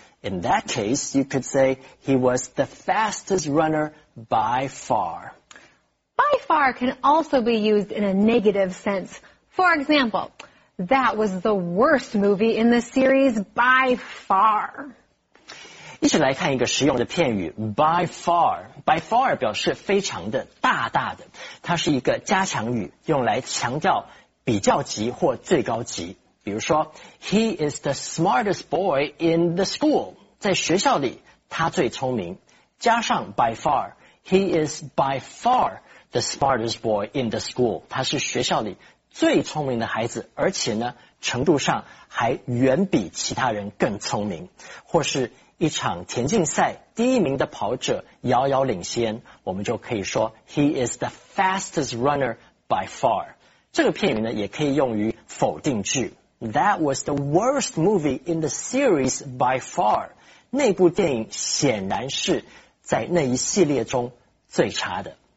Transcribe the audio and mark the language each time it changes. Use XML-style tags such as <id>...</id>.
<en>In that case, you could say he was the fastest runner by far. By far can also be used in a negative sense. For example, that was the worst movie in the series by far.</en> <zh>一起来看一个实用的片语 by far. By far 表示非常的大大的，它是一个加强语，用来强调比较级或最高级。比如说</zh> <en>He is the smartest boy in the school.</en> <zh>在学校里他最聪明，加上 by far,</zh> <en>He is by far the smartest boy in the school.</en> <zh>他是学校里最聪明的孩子，而且呢程度上还远比其他人更聪明。或是一场田径赛，第一名的跑者遥遥领先，我们就可以说</zh> <en>He is the fastest runner by far.</en> <zh>这个片语呢也可以用于否定句。</zh> <en>That was the worst movie in the series by far.</en> <zh>那部电影显然是在那一系列中最差的。</zh>